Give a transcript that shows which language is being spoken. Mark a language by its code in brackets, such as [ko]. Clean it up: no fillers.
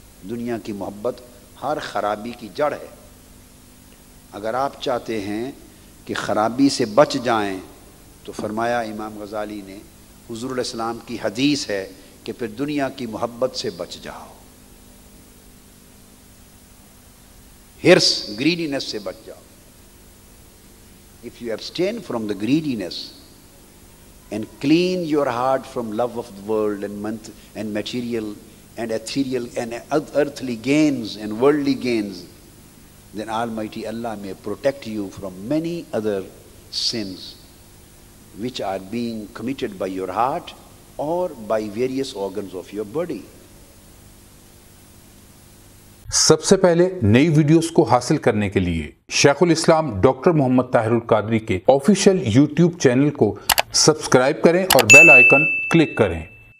[ur] دنیا کی محبت ہر خرابی کی جڑ ہے. اگر آپ چاہتے ہیں کہ خرابی سے بچ جائیں تو فرمایا امام غزالی نے، حضور علیہ السلام کی حدیث ہے کہ پھر دنیا کی محبت سے بچ جاؤ، ہرس گریڈینس سے بچ جاؤ. [en] If you abstain from the greediness and clean your heart from love of the world and material and ethereal and earthly gains and worldly gains, then Almighty Allah may protect you from many other sins which are being committed by your heart or by various organs of your body. [ur] سب سے پہلے نئی videos کو حاصل کرنے کے لیے شیخ الاسلام doctor محمد طاہر القادری کے آفیشیل یوٹیوب چینل کو سبسکرائب کریں اور بیل آئیکن کلک کریں.